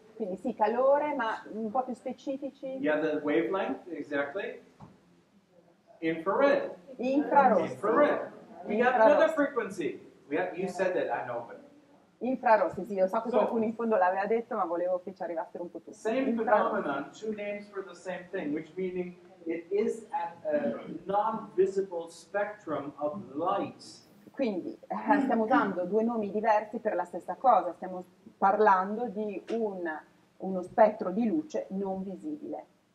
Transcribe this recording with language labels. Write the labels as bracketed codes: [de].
[it] Quindi sì, calore, ma un po' più specifici. [en] Yeah, the wavelength, exactly. Infrared. [it] Infrarossi. [en] Infrared. We have another frequency. You said that, I know, but. [it] Infrarossi, sì, lo so che qualcuno in fondo l'aveva detto, ma volevo che ci arrivassero un po' tutti. [en] Same phenomenon, two names for the same thing, which meaning it is at a non-visible spectrum of light. [it] Quindi stiamo usando due nomi diversi per la stessa cosa, stiamo parlando di uno spettro di luce non visibile.